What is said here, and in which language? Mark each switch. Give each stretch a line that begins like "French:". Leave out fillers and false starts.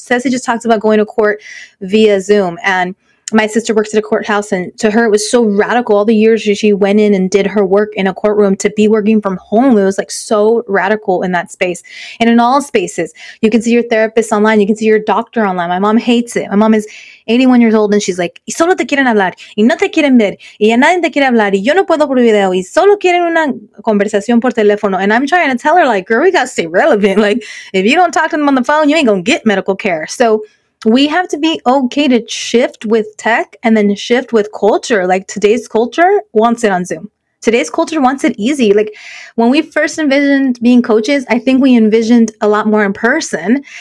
English: Ceci just talked about going to court via Zoom, and my sister works at a courthouse, and to her, it was so radical. All the years she went in and did her work in a courtroom to be working from home, it was like so radical in that space. And in all spaces, you can see your therapist online, you can see your doctor online. My mom hates it. My mom is 81 years old, and she's like,
Spanish: y solo te quieren hablar, y no te quieren ver, y a nadie te quiere hablar, y yo no puedo por video, y solo quieren una conversación por teléfono.
English: And I'm trying to tell her, like, girl, we got to stay relevant. Like, if you don't talk to them on the phone, you ain't going to get medical care. So we have to be okay to shift with tech and then shift with culture. Like, today's culture wants it on Zoom. Today's culture wants it easy. Like, when we first envisioned being coaches, I think we envisioned a lot more in person.